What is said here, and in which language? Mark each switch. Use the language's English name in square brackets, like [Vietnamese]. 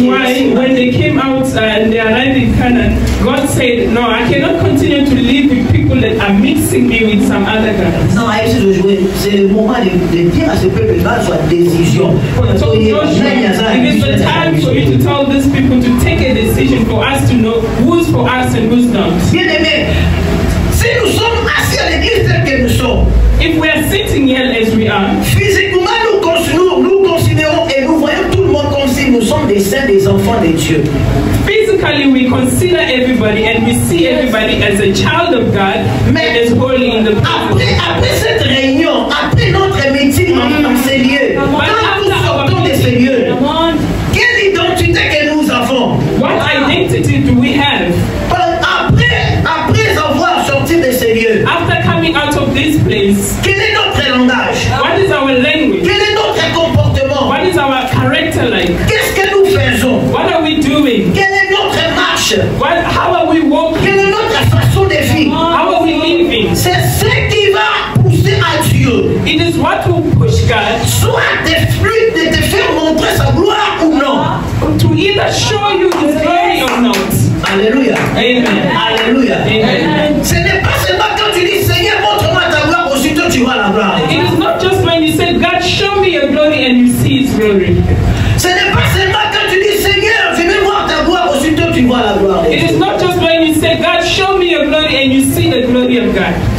[English] why when they came out and they arrived in Canaan, God said, no, I cannot continue to live with people that are mixing me with some other guys. No, I used to [French] jouer. C'est le moment de dire à ce peuple de sa décision. [English] So Joshua, it is the time for you to tell these people to take a decision for us to know who's for us and who's not. [French] Bien-aimé, si nous sommes assis à l'église tel que nous sommes, [English] if we are sitting here as we are, [French] physiquement nous considérons et nous voyons tout le monde comme si nous sommes des saints, des enfants de Dieu. [English] Physically, we consider everybody and we see everybody as a child of God that is holy in the place. [French] Après cette réunion, après notre meeting en ces lieux, quand nous sortons de ces lieux, quelle identité que nous avons? [English] What identity do we have? [French] Après avoir sorti de ces lieux, [English] after coming out of this place, [French] quel est notre langage? [English] What is our language? [French] Quel est notre comportement? [English] What is our character like? [French] Qu'est-ce que nous faisons? [English] What are we doing? How are we walking? [French] Quelle est notre façon de vivre? [English] How are we living? [French] C'est ce qui va pousser à Dieu. [English] It is what will push God. [French] Soit des fruits de te faire montrer sa gloire ou non. [English] To either show you his glory or not. [French] Alléluia. Amen. Alléluia. Amen. Ce n'est pas seulement quand tu dis Seigneur montre-moi ta gloire, aussitôt tu vois la gloire. [English] It is not just when you say God show me your glory and you see his glory. [French] Ce n'est pas seulement quand tu dis Seigneur viens voir ta gloire, aussitôt tu vois la gloire. [English] It is not just when you say, God, show me your glory, and you see the glory of God.